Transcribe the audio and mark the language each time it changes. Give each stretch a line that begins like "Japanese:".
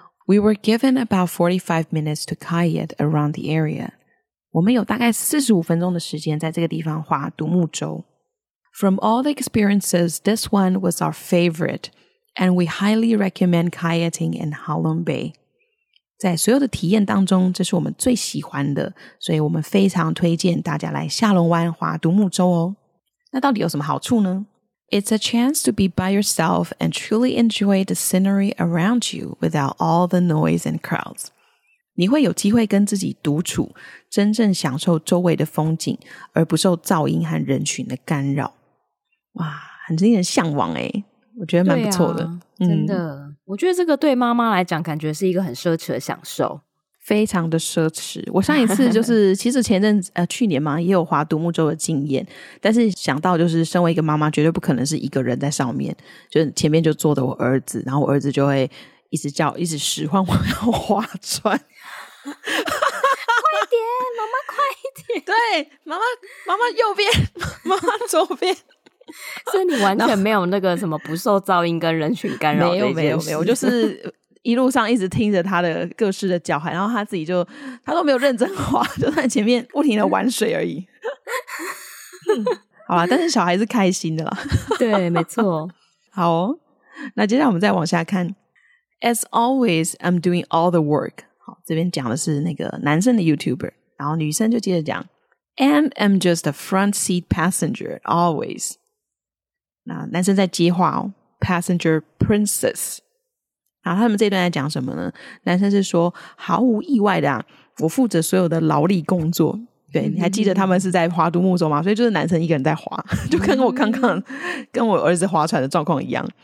English: We were given about 45 minutes to kayak around the area。
Chinese: 我们有大概45分钟的时间在这个地方划独木舟。
English: From all the experiences, this one was our favorite, and we highly recommend kayaking in Halong Bay.
Chinese: 在所有的体验当中，这是我们最喜欢的，所以我们非常推荐大家来下龙湾划独木舟哦。那到底有什么好处呢？
English: It's a chance to be by yourself and truly enjoy the scenery around you without all the noise and crowds.
Chinese: 你会有机会跟自己独处，真正享受周围的风景，而不受噪音和人群的干扰。哇，很令人向往耶，我觉得蛮不错的。对啊，真的。我觉得这个对妈妈来讲感觉是一个很奢侈的享受，非常的奢侈。我上一次就是其实前阵子去年嘛，也有划独木舟的经验，但是想到就是身为一个妈妈绝对不可能是一个人在上面，就是前面就坐着我儿子，然后我儿子就会一直叫一直使唤我要划船。快点妈妈快一点，对，妈妈妈妈右边，妈妈左边。所以你完全没有那个什么不受噪音跟人群干扰的一件事。没有，我就是一路上一直听着他的各式的叫喊，然后他自己就他都没有认真滑，就在前面不停的玩水而已。好啦，但是小孩是开心的啦。对，没错。好、哦、那接下来我们再往下看。
English: As always, I'm doing all the work。
Chinese: 好，这边讲的是那个男生的 YouTuber， 然后女生就接着讲。
English: And I'm just a front seat passenger always。
Chinese: 那男生在接话哦
English: ，Passenger Princess。
Chinese: 然后他们这段在讲什么呢？男生是说，毫无意外的啊，我负责所有的劳力工作。对，你还记得他们是在划独木舟吗？所以就是男生一个人在划，就跟我刚刚跟我儿子划船的状况一样。